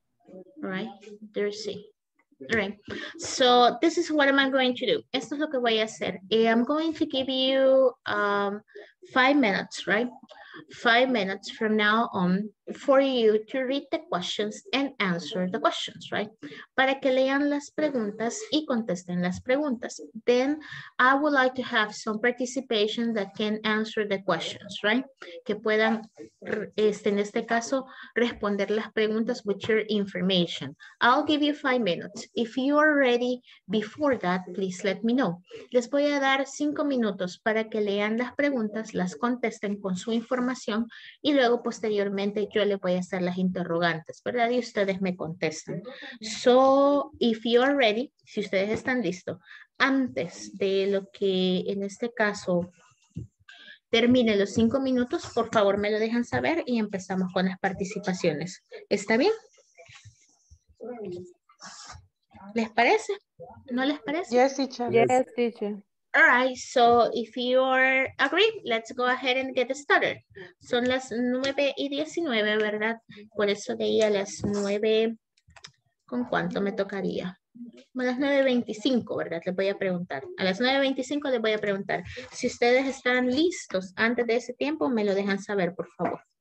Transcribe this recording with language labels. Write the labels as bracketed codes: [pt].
[en] All right, there's C. All right, so this is what am I going to do. [es] Esto es lo que voy a hacer. [en] I'm going to give you 5 minutes, right? 5 minutes from now on for you to read the questions and answer the questions, right? [es] Para que lean las preguntas y contesten las preguntas. [en] Then I would like to have some participation that can answer the questions, right? [es] Que puedan, en este caso, responder las preguntas [en] with your information. I'll give you 5 minutes. If you are ready before that, please let me know. [es] Les voy a dar 5 minutos para que lean las preguntas, las contesten con su información y luego posteriormente yo le voy a hacer las interrogantes, ¿verdad? Y ustedes me contestan. [en] So, if you are ready, [es] si ustedes están listos, antes de lo que en este caso termine los 5 minutos, por favor me lo dejan saber y empezamos con las participaciones. ¿Está bien? ¿Les parece? ¿No les parece? [en] Yes, teacher. Yes, teacher. All right, so if you are agree, let's go ahead and get started. [es] Son las 9:19, ¿verdad? Por eso de ahí a las 9, ¿con cuánto me tocaría? Bueno, las 9:25, ¿verdad? Les voy a preguntar. A las 9:25 les voy a preguntar. Si ustedes están listos antes de ese tiempo, me lo dejan saber, por favor.